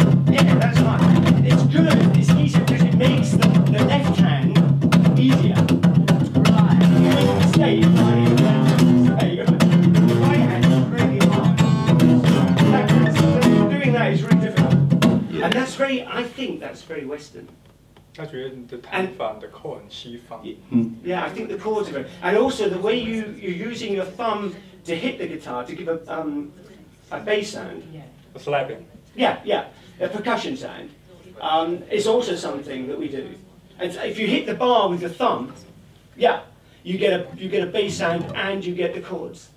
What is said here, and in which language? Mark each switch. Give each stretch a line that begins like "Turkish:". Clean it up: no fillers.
English: Yeah, that's fine. It's good, it's easier because it makes the left hand easier. Right. You make a mistake, the right hand is really hard. Doing that is really difficult. Yeah. And that's very, I think that's very Western.
Chinese: 他觉得你的弹法的扣很西方。
English: Yeah, I think the chords are very. And also the way you're using your thumb to hit the guitar to give a bass sound. A slapping. Yeah, a percussion sound. It's also something that we do. And if you hit the bar with your thumb, yeah, you get a bass sound and you get the chords.